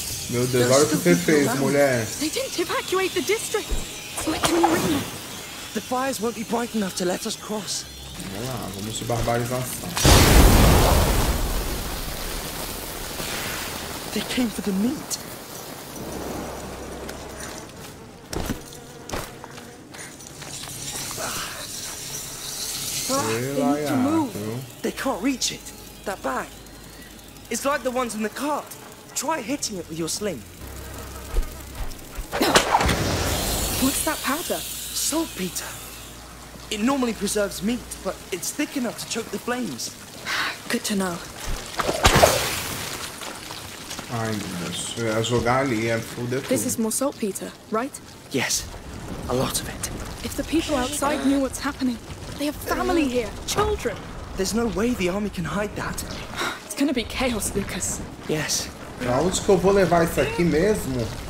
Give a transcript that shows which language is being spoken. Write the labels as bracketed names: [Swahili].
[Portuguese] Meu Deus, olha o que você fez, mulher. [English] They didn't evacuate the district. So I can ring. The fires won't be bright enough to let us cross. [Portuguese] Vamos lá, vamos se barbarizar. [English] They came for the meat. They need to move. They can't reach it. That bag. It's like the ones in the cart. Try hitting it with your sling. What's that powder? Saltpeter. It normally preserves meat, but it's thick enough to choke the flames. Good to know. [Portuguese] Ai, meu Deus. É jogar ali, é foder tudo. [English] This is more saltpeter, right? Yes. A lot of it. If the people outside knew what's happening. They have family here, children. There's no way the army can hide that. It's gonna be chaos, Lucas. Yes. [Portuguese] Pra onde que eu vou levar isso aqui mesmo?